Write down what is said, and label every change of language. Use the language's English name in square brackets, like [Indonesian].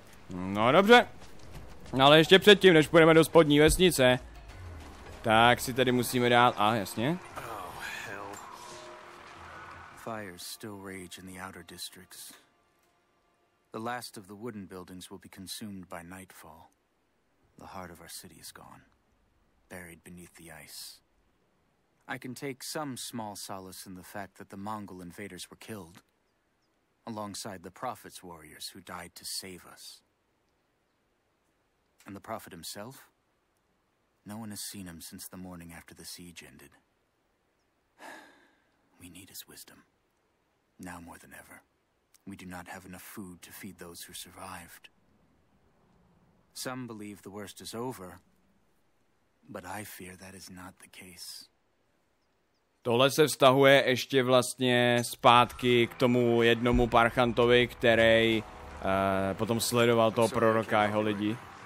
[Czech] No dobře. No ale ještě předtím, než půjdeme do spodní vesnice, tak si tady musíme dát... A, jasně. [English] Fire still rage in the outer districts. The last of the wooden buildings will be consumed by nightfall. The heart of our city is gone, buried beneath the ice. I can take some small solace in the fact that the Mongol invaders were killed, alongside the Prophet's warriors who died to save us. And the Prophet himself? No one has seen him since the morning after the siege ended. We need his wisdom, now more than ever. We do not have enough food to feed those who survived. Some believe the worst is over, but I fear that is not the case. [Czech] Tohle se vztahuje ještě vlastně zpátky k tomu jednomu parchantovi, který potom sledoval toho proroka a jeho lidi.